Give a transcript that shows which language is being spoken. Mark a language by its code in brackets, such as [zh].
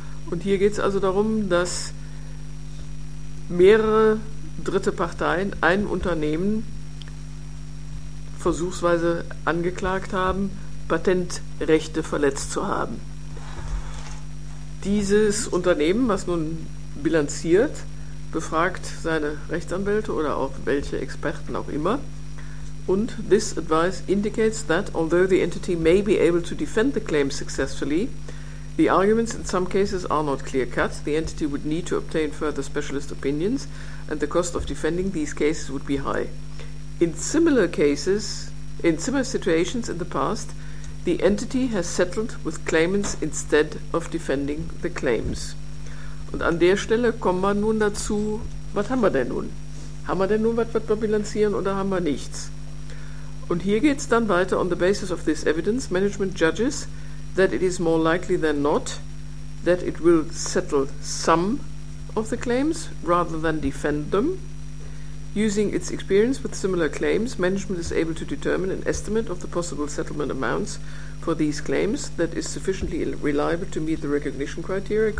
[de] Und hier geht es also darum, dass mehrere dritte Parteien ein Unternehmen versuchsweise angeklagt haben, Patentrechte verletzt zu haben. Dieses Unternehmen, was nun bilanziert, befragt seine Rechtsanwälte oder auch welche Experten auch immer. [en] Und this advice indicates that although the entity may be able to defend the claim successfully, the arguments in some cases are not clear-cut. The entity would need to obtain further specialist opinions and the cost of defending these cases would be high. In similar situations in the past, the entity has settled with claimants instead of defending the claims. [de] Und an der Stelle kommen wir nun dazu, was haben wir denn nun? Haben wir denn nun was wir bilanzieren oder haben wir nichts? Und hier geht es dann weiter. [en] On the basis of this evidence, management judges that it is more likely than not that it will settle some of the claims rather than defend them. Using its experience with similar claims, management is able to determine an estimate of the possible settlement amounts for these claims that is sufficiently reliable to meet the recognition criteria.